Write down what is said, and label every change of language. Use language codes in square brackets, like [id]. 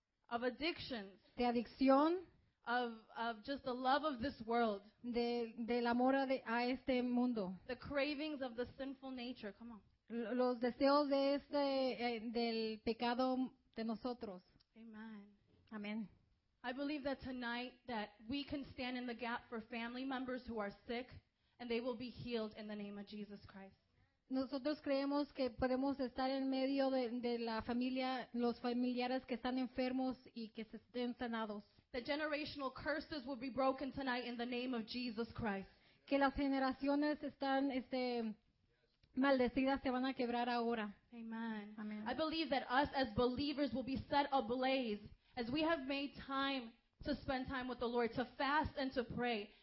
[en] Of addictions. [es] De adicción. [en] Of just the love of this world. [es] Del amor a este mundo. [en] The cravings of the sinful nature. Come on. [es] Los deseos de este del pecado de nosotros. Amen. Amen. [en] I believe that tonight that we can stand in the gap for family members who are sick and they will be healed in the name of Jesus Christ. [es] Nosotros creemos que podemos estar en medio de la familia, los familiares que están enfermos y que se estén sanados. [en] The generational curses will be broken tonight in the name of Jesus Christ. [es] Que las generaciones están maldecidas, se van a quebrar ahora. Amen. Amen. [en] I believe that us as believers will be set ablaze as we have made time to spend time with the Lord, to fast and to pray.